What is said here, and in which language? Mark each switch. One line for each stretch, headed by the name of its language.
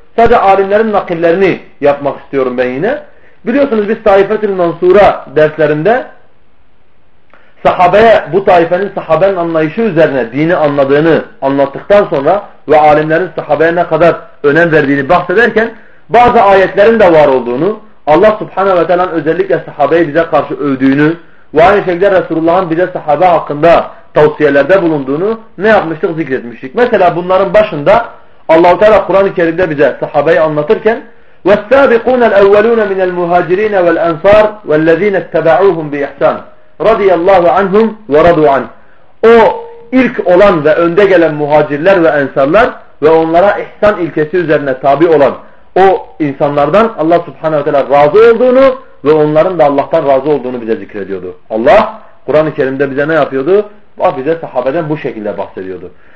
Turkish: Sadece alimlerin nakillerini yapmak istiyorum ben yine. Biliyorsunuz biz Taifetül Mansura derslerinde sahabeye, bu taifenin sahabenin anlayışı üzerine dini anladığını anlattıktan sonra ve alimlerin sahabeye ne kadar önem verdiğini bahsederken bazı ayetlerin de var olduğunu, Allah subhanehu ve teala özellikle sahabeyi bize karşı övdüğünü ve aynı şekilde Resulullah'ın bize sahabe hakkında tavsiyelerde bulunduğunu ne yapmıştık, zikretmiştik. Mesela bunların başında Allah-u Teala Kur'an-ı Kerim'de bize sahabeyi anlatırken
Arabic: وَالسَّابِقُونَ الْاَوَّلُونَ مِنَ الْمُهَاجِرِينَ وَالْاَنْصَارِ وَالَّذ۪ينَ اتَّبَعُوهُمْ بِإِحْسَانِ رَضِيَ اللّٰهُ عَنْهُمْ وَرَضُوا عَنْهُ.
Turkish: O ilk olan ve önde gelen muhacirler ve ensarlar ve onlara ihsan ilkesi üzerine tabi olan o insanlardan Allah subhanehu ve teala razı olduğunu ve onların da Allah'tan razı olduğunu bize zikrediyordu. Allah Kur'an-ı Kerim'de bize ne yapıyordu? Bize sahabeden bu şekilde bahsediyordu.